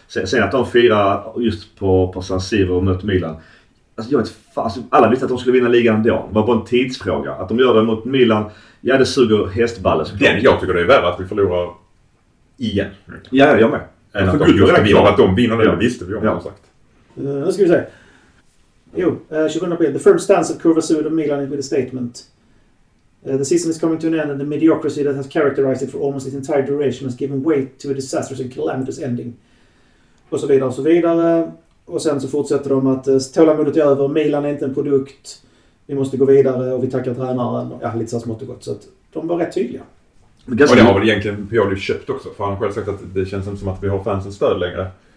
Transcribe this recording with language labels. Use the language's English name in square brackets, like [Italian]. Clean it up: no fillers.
[Swedish] Sen att de firar just på San Siro och möter Milan... Alltså, jag vet, alla visste att de skulle vinna ligan ändå. Det var bara en tidsfråga. Att de gör det mot Milan, ja, det suger hästballen. Jag tycker det är värre att vi förlorar igen. Ja, jag med. För gud, just vi har att de vinner det, ja. Visste vi om det, ja. Sagt. Nu ska vi se. Jo, 20 april. [English] The firm stance of Kurvasud and Milan with a statement. The season is coming to an end and the mediocrity that has characterized it for almost its entire duration has given way to a disastrous and calamitous ending. [Swedish] Och så vidare, och så vidare. Och sen så fortsätter de att tålamodet är över, Milan är inte en produkt, vi måste gå vidare och vi tackar tränaren. Ja, lite så smått och gott. Så att de var rätt tydliga. Och det har väl egentligen Pioli köpt också, för han själv sagt att det känns som att vi har fansens stöd längre.